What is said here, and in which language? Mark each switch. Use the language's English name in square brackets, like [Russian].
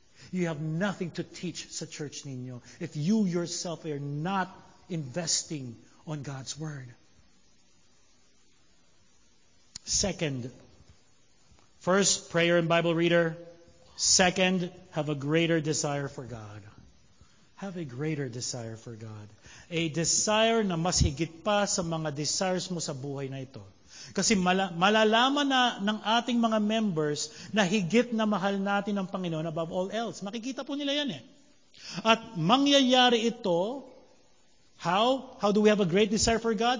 [English] You have nothing to teach sa church ninyo if you yourself are not investing on God's Word. Second, first, prayer and Bible reader. Second, have a greater desire for God. have a greater desire for God. [Filipino] A desire na mas higit pa sa mga desires mo sa buhay na ito. Kasi malalaman na ng ating mga members na higit na mahal natin ang Panginoon above all else. Makikita po nila yan eh. At mangyayari ito, [English] how do we have a great desire for God?